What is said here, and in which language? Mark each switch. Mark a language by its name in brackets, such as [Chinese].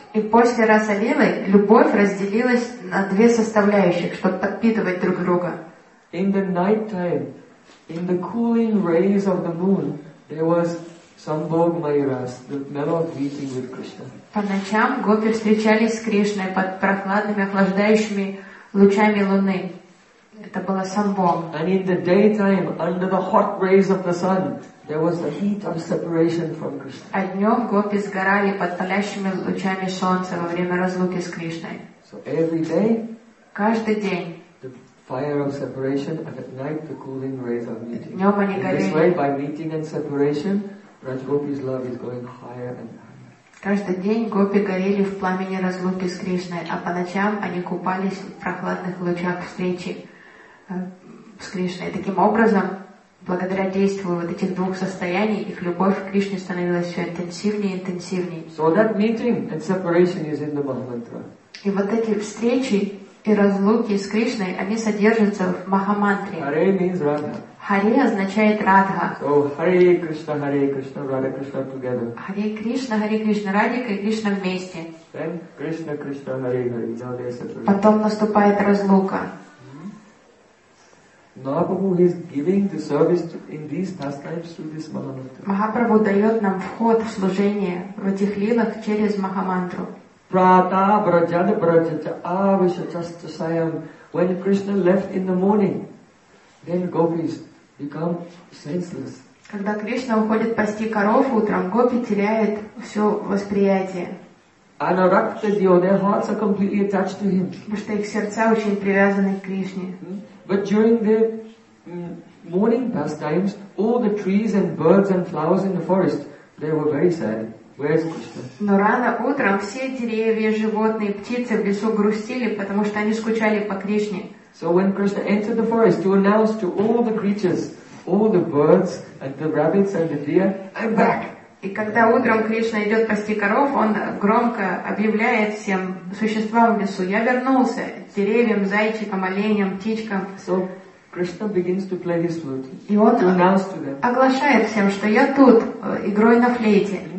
[Russian] И после Rasa Lila любовь разделилась на две составляющих, чтобы подпитывать друг друга. [English] In the night time, In the cooling rays of the moon, there was Sambhog Mayuras, the metal greeting with Krishna. [Russian] По ночам гопи встречались с Кришной под прохладными охлаждающими лучами луны. Это было Самбог. [English] And in the daytime, under the hot rays of the sun, there was a heat of separation from Krishna. [Russian] А днем гопи сгорали под палящими лучами солнца во время разлуки с Кришной. [English] So every day, [Russian] каждый день. [English] Fire of separation, and at night the cooling rays of meeting. [Russian] Днем они горели. [English] This way, by meeting and separation, Rajgopi's love is going higher and higher. [Russian] Каждый день гопи горели в пламени разлуки с Кришной, а по ночам они купались в прохладных лучах встречи с Кришной. Таким образом, благодаря действию вот этих двух состояний, их любовь к Кришне становилась все интенсивнее и интенсивнее. [English] So that meeting and separation is in the Mahamantra. [Russian] И вот эти встречи и разлуки с Кришной, они содержатся в Махамантре. [English] Hare means Radha. [Russian] Hare означает Радха. [English] So, Hare Krishna, Radha Krishna together. [Russian] Hare Krishna, Radha и Кришна вместе. [English] Then Krishna, Krishna, Hare, Hare. Now they separate. [Russian] Потом наступает разлука. [English] Mahaprabhu is giving the service in these pastimes through this Mahamantra. [Russian] Махапрабху дает нам вход в служение в этих лилах через Махамантру. [Sanskrit] Prata brajada brajata avishachasta sayam. [English] When Krishna left in the morning, then gopis become senseless. [Russian] Когда Кришна уходит пасти коров утром, гопи теряют все восприятие. [Sanskrit] Anarakta dio, [English] their hearts are completely attached to him. [Russian] Потому что их сердца очень привязаны к Кришне. [English] But during the morning pastimes, all the trees and birds and flowers in the forest, they were very sad. [Russian] Но рано утром все деревья, животные, птицы в лесу грустили, потому что они скучали по Кришне. [English] So when Krishna entered the forest, he announced to all the creatures, all the birds and the rabbits and the deer, I'm back. [Russian] И когда утром Кришна идет пасти коров, он громко объявляет всем существам в лесу, я вернулся, деревьям, зайчикам, оленям, птичкам. [English] So Krishna begins to play his flute. [Russian] И он оглашает всем, что я тут, игрой на флейте.